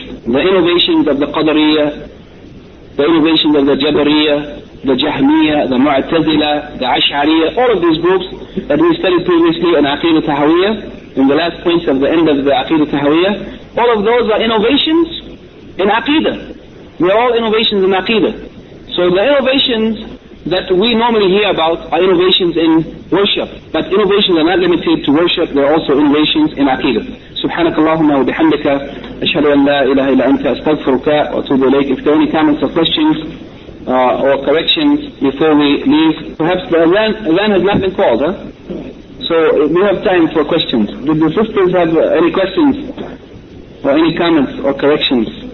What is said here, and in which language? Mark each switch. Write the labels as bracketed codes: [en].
[en] The innovations of the Qadariyah, the innovations of the Jabariyah, the Jahmiyah, the Mu'tazila, the Ash'ariyah, all of these groups that we studied previously in Aqidah Tahawiyah, in the last points of the end of the Aqidah Tahawiyah, all of those are innovations in aqeedah. We are all innovations in aqeedah. So the innovations that we normally hear about are innovations in worship. But innovations are not limited to worship, they are also innovations in aqeedah. [ar] سبحانك اللهم وبحمدك أشهد أن لا إله إلا أنت أستغفرك وأتوب إليك. [en] If there are any comments or questions or corrections before we leave, perhaps the Adhan has not been called, huh? So we have time for questions. Did the sisters have any questions or any comments or corrections?